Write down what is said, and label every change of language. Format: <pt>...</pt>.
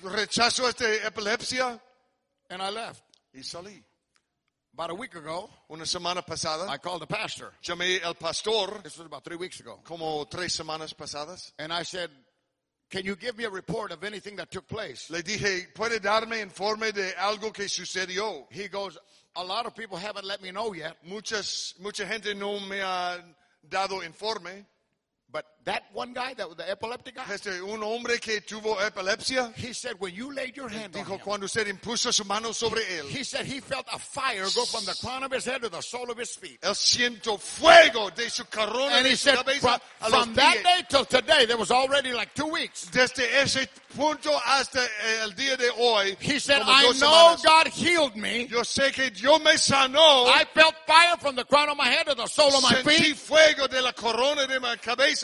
<es>Rechazo esta epilepsia.</es> <en>And I left.</en> <es>Y salí.</es> <en>About a week ago.</en> <es>Una semana pasada.</es> <en>I called the pastor.</en> <es>Llamé al pastor.</es> <en>This was about 3 weeks ago.</en> <es>Como 3 semanas pasadas.</es> <en>And I said, can you give me a report of anything that took place?</en> <es>Le dije, ¿puede darme informe de algo que sucedió?</es> <en>He goes, a lot of people haven't let me know yet.</en> <es>Mucha gente no me ha dado informe.</es> <en>But that one guy, that was the epileptic guy.</en> <es>Este un hombre que tuvo epilepsia.</es> <en>He said, "When you laid your hand</en> <es>dijo,</es> <en>on him."</en> <es>Dijo cuando usted impuso su mano sobre él.</es> <en>He said he felt a fire go from the crown of his head to the sole of his feet.</en> <es>Él siento fuego de su corona</es> <en>and</en> <es>de</es> <en>he</en> <es>su</es> <en>said, cabeza. From that day till today, there was already like 2 weeks.</en> <es>Desde ese punto hasta el día de hoy.</es> <en>He said, "I know</en> <es>semanas,</es> <en>God healed me."</en> <es>Yo sé que Dios me sanó.</es> <en>I felt fire from the crown of my head to the sole of my</en> <es>sentí Sentí fuego de la corona de mi cabeza.</es>